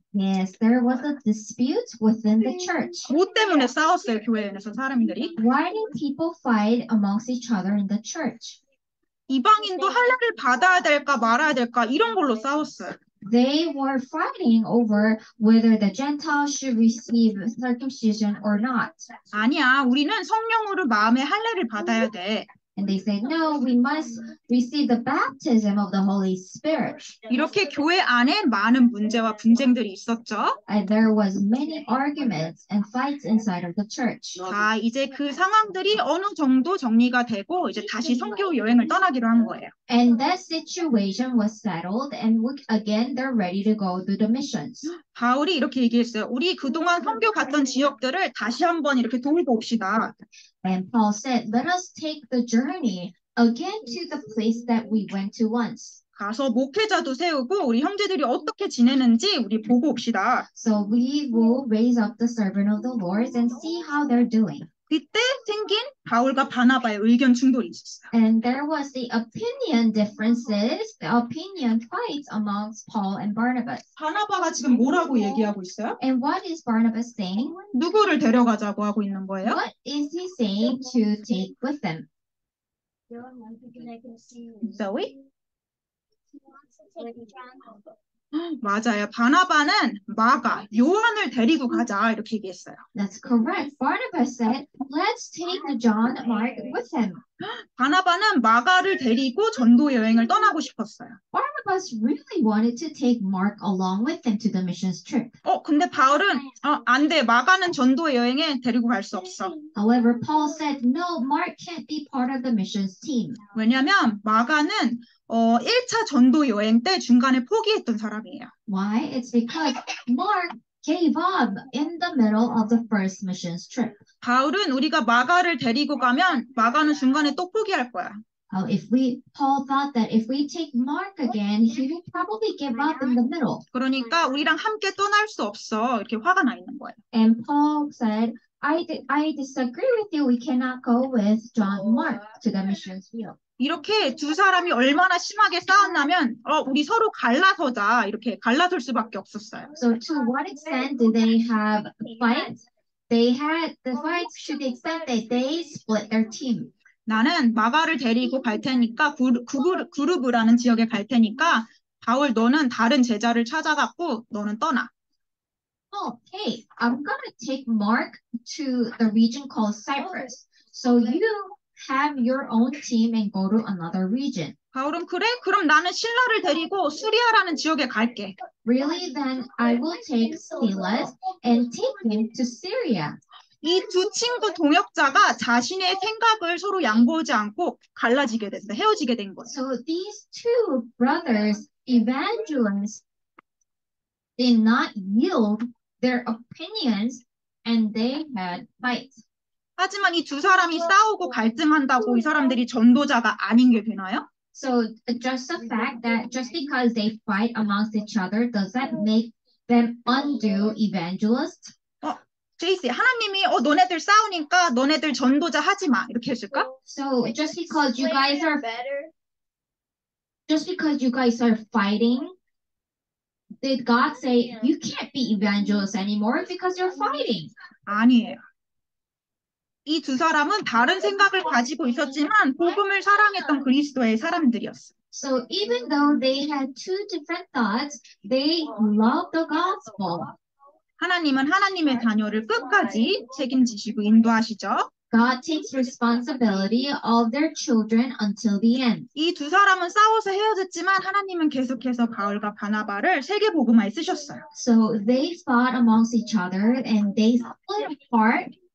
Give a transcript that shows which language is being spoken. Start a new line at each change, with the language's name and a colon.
English: Yes, there was a dispute within the church.
Korean: 뭐 때문에 싸웠어요, 교회 안에서 사람들이?
English: Why did people fight amongst each other in the church?
Korean: 이방인도 할례를 받아야 될까 말아야 될까 이런 걸로 싸웠어요.
English: they were fighting over whether the Gentiles should receive circumcision or not.
Korean: 아니야, 우리는 성령으로 마음에 할례를 받아야 돼.
English: And they say, no, we must receive the baptism of the Holy Spirit.
Korean: 이렇게 교회 안에 많은 문제와 분쟁들이 있었죠.
English: And there was many arguments and fights inside of the church.
Korean: 자, 이제 그 상황들이 어느 정도 정리가 되고 이제 다시 선교 여행을 떠나기로 한 거예요.
English: And that situation was settled and again they're ready to go to the missions.
Korean: 바울이 이렇게 얘기했어요. 우리 그동안 선교 갔던 지역들을 다시 한번 이렇게 돌봅시다.
English: And Paul said, let us take the journey again to the place that we went to once.
Korean: 가서 목회자도 세우고 우리 형제들이 어떻게 지내는지 우리 보고 옵시다.
English: So we will raise up the servant of the Lord and see how they're doing.
Korean: 그때 생긴 바울과 바나바의 의견 충돌이 있었어요.
English: And there was the opinion differences, the opinion fights amongst Paul and Barnabas.
Korean: 바나바가 지금 뭐라고 얘기하고 있어요?
English: And what is Barnabas saying?
Korean: 누구를 데려가자고 하고 있는 거예요?
English: What is he saying to take with them? Zoe? He wants to take John.
Korean: 맞아요. 바나바는 마가 요한을 데리고 가자 이렇게 얘기했어요.
English: That's correct. Barnabas said, "Let's take John Mark with him."
Korean: 바나바는 마가를 데리고 전도 여행을 떠나고 싶었어요.
English: Barnabas really wanted to take Mark along with him to the missions trip.
Korean: 근데 바울은 안 돼. 마가는 전도 여행에 데리고 갈 수 없어.
English: However, Paul said, "No, Mark can't be part of the missions team."
Korean: 왜냐면 마가는 1차 전도 여행 때 중간에 포기했던 사람이에요.
English: Why? It's because Mark gave up in the middle of the first missions trip.
Korean: 바울은 우리가 마가를 데리고 가면 마가는 중간에 또 포기할 거야.
English: Oh, if we Paul thought that if we take Mark again, he would probably give up in the middle.
Korean: 그러니까 우리랑 함께 떠날 수 없어. 이렇게 화가 나 있는 거예요.
English: And Paul said, I disagree with you. We cannot go with John Mark to the missions field.
Korean: 이렇게 두 사람이 얼마나 심하게 싸웠냐면 우리 서로 갈라서자 이렇게 갈라설 수밖에 없었어요.
English: So to what extent did they have fight? They had the fight to the extent that they split their team.
Korean: 나는 마가를 데리고 갈 테니까 그루브라는 지역에 갈 테니까 바울 너는 다른 제자를 찾아갖고 너는 떠나.
English: Oh, hey, I'm gonna take Mark to the region called Cyprus. So you have your own team and go to another region.
Korean: 바울은 그래? 그럼 나는 실라를 데리고 수리아라는 지역에 갈게.
English: Really? Then I will take Silas and take him to Syria.
Korean: 이 두 친구 동역자가 자신의 생각을 서로 양보하지 않고 갈라지게 됐어. 헤어지게 된 거야.
English: So these two brothers, evangelists, did not yield their opinions and they had fights.
Korean: 하지만 이 두 사람이 싸우고 갈등한다고 이 사람들이 전도자가 아닌 게 되나요?
English: So just the fact that just because they fight amongst each other, does that make them undue evangelists?
Korean: JC, 하나님이 너네들 싸우니까 너네들 전도자 하지 마 이렇게 했을까?
English: So just because you guys are fighting, did God say you can't be evangelists anymore because you're fighting?
Korean: 아니에요. 이 두 사람은 다른 생각을 가지고 있었지만 복음을 사랑했던 그리스도의 사람들이었어.
English: So even though they had two different thoughts, they loved the gospel.
Korean: 하나님은 하나님의 자녀를 끝까지 책임지시고 인도하시죠.
English: God takes responsibility of their children until the end.
Korean: 이 두 사람은 싸워서 헤어졌지만 하나님은 계속해서 바울과 바나바를 세계 복음화에 쓰셨어요.
English: So they fought amongst each other and they split apart.